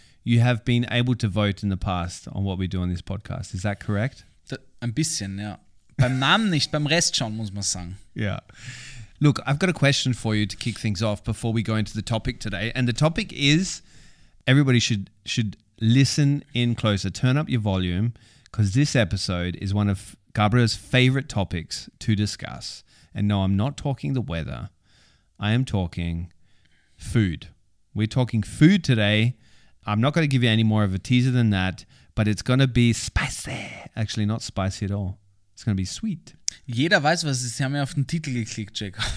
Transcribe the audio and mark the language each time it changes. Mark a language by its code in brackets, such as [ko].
[en] You have been able to vote in the past on what we do on this podcast. Is that correct? [de] Ein bisschen, ja. Beim Namen nicht, beim Rest schon, muss man sagen. [en] Yeah. Look, I've got a question for you to kick things off before we go into the topic today. And the topic is, everybody should listen in closer. Turn up your volume, because this episode is one of Gabriel's favorite topics to discuss. And no, I'm not talking the weather. I am talking food. We're talking food today. I'm not going to give you any more of a teaser than that, but it's going to be spicy. Actually, not spicy at all. It's going to be sweet. [de] Jeder weiß, was es ist. Sie haben ja auf den Titel geklickt, Jacob.